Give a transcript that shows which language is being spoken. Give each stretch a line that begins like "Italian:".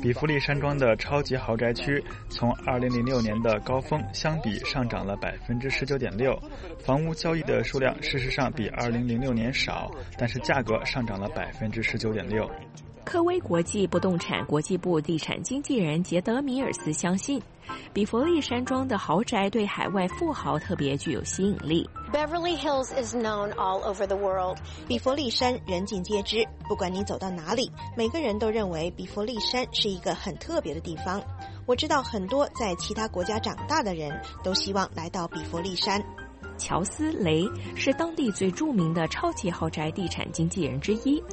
Chinese: 比弗利山庄的超级豪宅区从2006年的高峰相比上涨了19.6%，房屋交易的数量事实上比2006年少，但是价格上涨了19.6%。科威国际不动产国际部地产经纪人杰德米尔斯相信，比佛利山庄的豪宅对海外富豪特别具有吸引力。
English: Beverly Hills is known all over the world.
Chinese: 比佛利山人尽皆知，不管你走到哪里，每个人都认为比佛利山是一个很特别的地方。我知道很多在其他国家长大的人都希望来到比佛利山。乔斯·雷是当地最著名的超级豪宅地产经纪人之一。